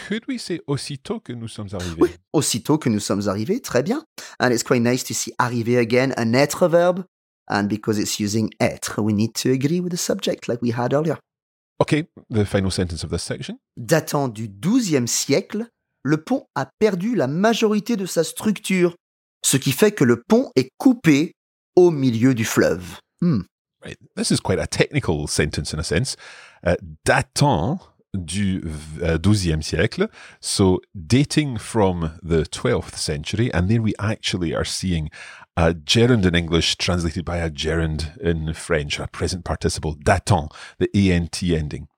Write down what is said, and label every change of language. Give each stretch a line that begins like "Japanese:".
English: Could we say
French: aussitôt que nous sommes arrivés? Oui, aussitôt que nous sommes arrivés, très bien.
English: And it's quite nice to see arriver again, an être verb. And because it's using être, we need to agree with the subject like we had earlier. Okay, the final sentence of this section.
French: Datant du XIIe siècle, le pont a perdu la majorité de sa structure, ce qui fait que le pont est coupé au milieu du fleuve.
English: Hmm. Right. This is quite a technical sentence in a sense.
French: Datant du XIIe siècle,
English: so dating from the 12th century, and then we actually are seeing a gerund in English translated by a gerund in French, a present participle, datant, the ant ending.